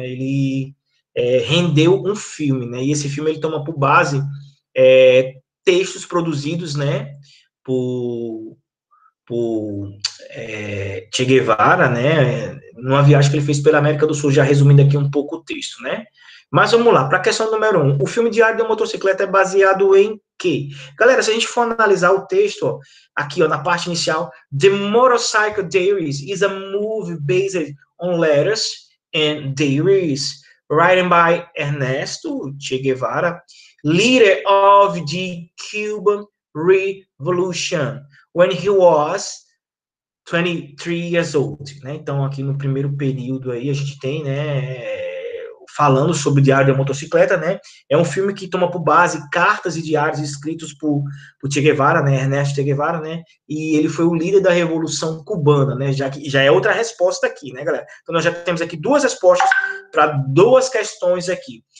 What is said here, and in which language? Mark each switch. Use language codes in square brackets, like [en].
[pt] Ele rendeu um filme, né? E esse filme ele toma por base textos produzidos, né, por Che Guevara, né? Numa viagem que ele fez pela América do Sul, já resumindo aqui um pouco o texto, né? Mas vamos lá, para a questão número um. O filme Diário da Motocicleta é baseado em quê? Galera, se a gente for analisar o texto, ó, aqui, ó, na parte inicial, [en] The Motorcycle Diaries is a movie based on letters and diaries written by Ernesto Che Guevara, leader of the Cuban Revolution, when he was 23 years old. [pt] Né? Então, aqui no primeiro período aí, a gente tem, né, falando sobre o Diário da Motocicleta, né? É um filme que toma por base cartas e diários escritos por Che Guevara, né? Ernesto Che Guevara, né? E ele foi o líder da Revolução Cubana, né? Já que já é outra resposta aqui, né, galera? Então nós já temos aqui duas respostas para duas questões aqui.